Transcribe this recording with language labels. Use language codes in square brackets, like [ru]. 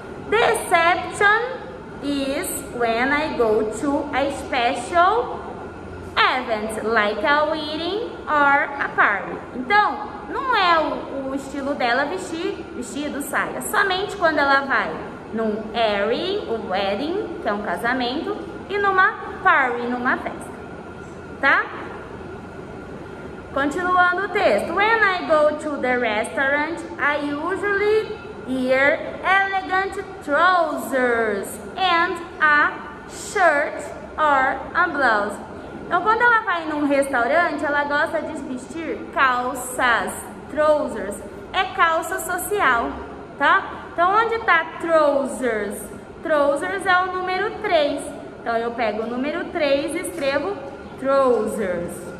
[en] Deception is when I go to a special event, like a wedding or a party. [pt] Então, não é o estilo dela vestido, saia. Somente quando ela vai num wedding, que é um casamento, e numa party, numa festa. Tá? Continuando o texto. [en] When I go to the restaurant, I usually wear elegant trousers and a shirt or a blouse. [pt] Então, quando ela vai num restaurante, ela gosta de vestir calças. Trousers é calça social, tá? Então, onde tá trousers? Trousers é o número 3. Então, eu pego o número 3 e escrevo trousers.